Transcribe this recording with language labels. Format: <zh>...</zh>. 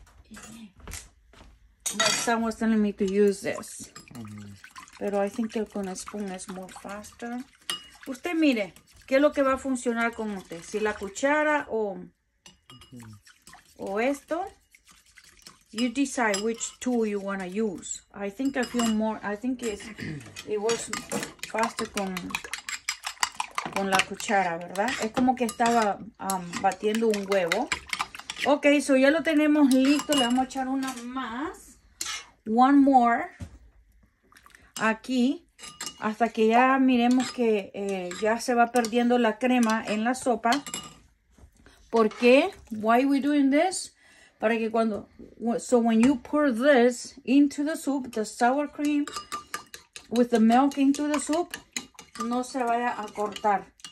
<en>Yeah. Someone's telling me to use this.</en> <es>Pero</es> <en>I think</en> <es>el con</es> <en>spoon is more faster.</en> <es>Usted mire, ¿qué es lo que va a funcionar con usted? Si la cuchara o esto.</es> <en>You decide which tool you want to use. I think it works faster</en> <es>con la cuchara, ¿verdad? Es como que estaba batiendo un huevo.</es> <en>Ok, so</en> <es>ya lo tenemos listo. Le vamos a echar una más.</es> <en>One more.</en> <es>Aquí. Hasta que ya miremos que ya se va perdiendo la crema en la sopa. ¿Por qué?</es> <en>Why are we doing this?</en> <es>Para que cuando...</es> <en>So when you pour this into the soup, the sour cream with the milk into the soup,</en> <es>no se vaya a cortar.</es>